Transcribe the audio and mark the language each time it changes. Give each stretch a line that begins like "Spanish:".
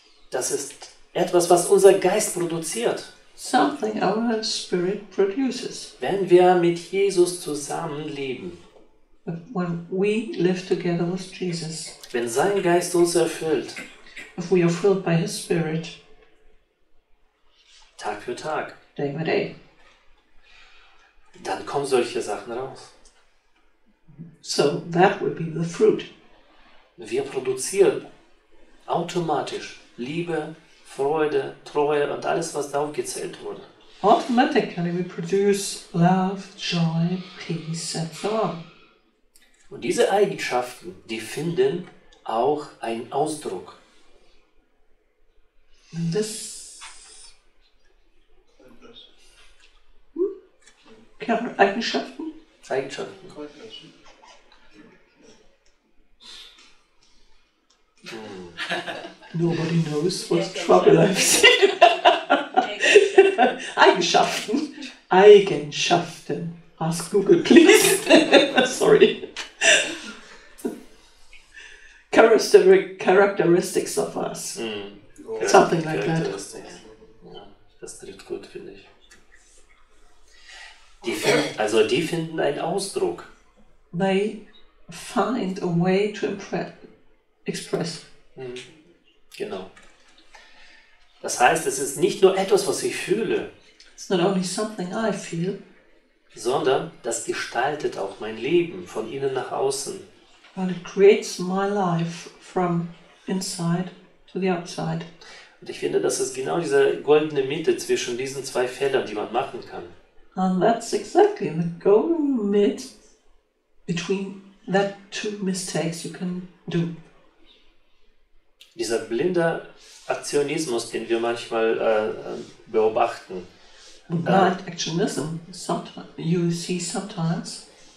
German: Das ist etwas, was unser Geist produziert.
English: Something our spirit produces.
German: Wenn wir mit Jesus zusammenleben.
English: When we live together with Jesus.
German: Wenn sein Geist uns erfüllt.
English: if we are filled by His Spirit.
German: Tag für Tag.
English: Day by day.
German: Dann kommen solche Sachen raus.
English: So that would be the fruit.
German: Wir produzieren automatisch Liebe, Freude, Treue und alles, was da aufgezählt wurde.
English: Automatically we produce love, joy, peace and so on.
German: Und diese Eigenschaften, die finden auch einen Ausdruck.
English: And this Eigenschaften?
German: Eigenschaften.
English: Nobody knows what trouble I've seen. Eigenschaften. Eigenschaften. Ask Google, please. Sorry. Characteristics of us. Mm. Something like that.
German: Ja, das trifft gut, finde ich. Die finden einen Ausdruck.
English: They find a way to express. Mm.
German: Genau. Das heißt, es ist nicht nur etwas, was ich fühle.
English: It's not only something I feel.
German: Sondern das gestaltet auch mein Leben von innen nach außen.
English: But it creates my life from inside to the outside.
German: Und ich finde, das ist genau diese goldene Mitte zwischen diesen zwei Feldern, die man machen kann.
English: And that's exactly the golden mid between that two mistakes you can do.
German: Dieser blinde Aktionismus, den wir manchmal beobachten.
English: Blind actionism, sometimes you see sometimes.